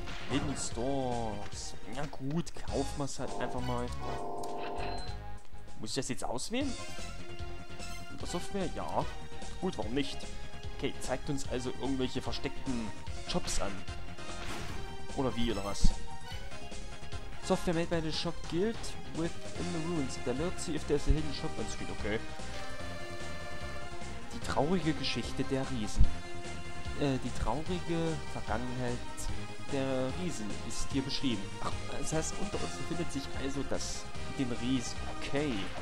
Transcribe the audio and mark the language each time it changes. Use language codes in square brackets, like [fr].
[en] Hidden stores. [de] Na gut, kaufen wir es halt einfach mal. Muss ich das jetzt auswählen? In der Software? Ja. Gut, warum nicht? Okay, zeigt uns also irgendwelche versteckten Jobs an. Oder wie, oder was? [en] Software made by the shop guild within the ruins. [de] Dann wird sie, [en] if there's a hidden shop on screen. Okay. [de] Die traurige Geschichte der Riesen. Die traurige Vergangenheit der Riesen ist hier beschrieben. Ach, das heißt, unter uns befindet sich also das mit dem Riesen. Okay.